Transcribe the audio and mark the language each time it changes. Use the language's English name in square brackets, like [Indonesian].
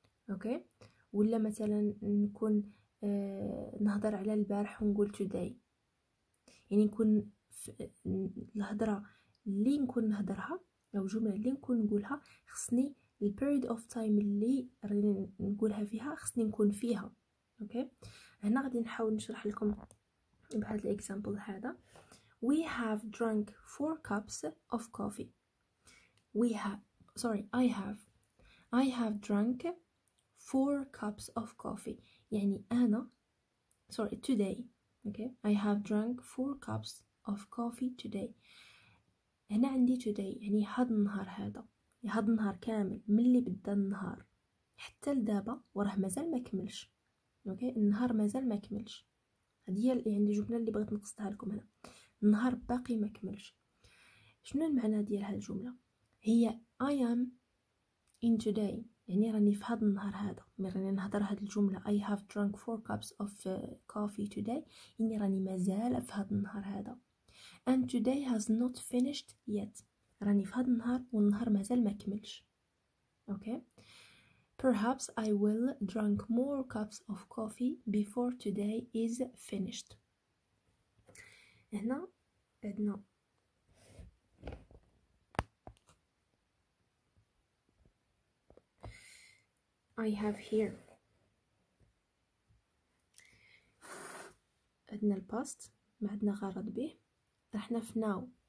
[Arabic] أوكي، ولا مثلا نكون نهضر على البارح ونقول today، يعني نكون الهضرة اللي نكون نهضرها أو الجملة اللي نكون نقولها خصني [English] the period of time [Arabic] اللي راني نقولها فيها خصني نكون فيها. اوكي، هنا غادي نحاول نشرح لكم بهذا الاكزامبل هذا. [English] we have drunk 4 cups of coffee. we have sorry I have drunk 4 cups of coffee. [Arabic] يعني انا [English] sorry today. Okay okay. I have drunk 4 cups of coffee today. [Arabic] هنا عندي today يعني هذا النهار، هذا هاد النهار كامل ملي بدا النهار حتى لدابا وراه مازال ما كملش. اوكي، النهار مازال ما كملش، هادي هي يعني الجمله اللي بغيت نقصتها لكم هنا، النهار باقي ما كملش. شنو المعنى ديال هاد الجمله؟ هي [English] I am in today، [Arabic] يعني راني في هاد النهار هذا، راني نهضر هاد الجمله [English] I have drunk 4 cups of coffee today، [Arabic] يعني راني مازال في هاد النهار هذا. [English] and today has not finished yet، [Arabic] راني في هذا النهار والنهار مازال ما كملش. [English] Okay, perhaps I will drink more cups of coffee before today is finished. [Arabic] هنا عندنا [English] I have here، [Arabic] عندنا الباست ما عندنا غرض به، رحنا في ناو.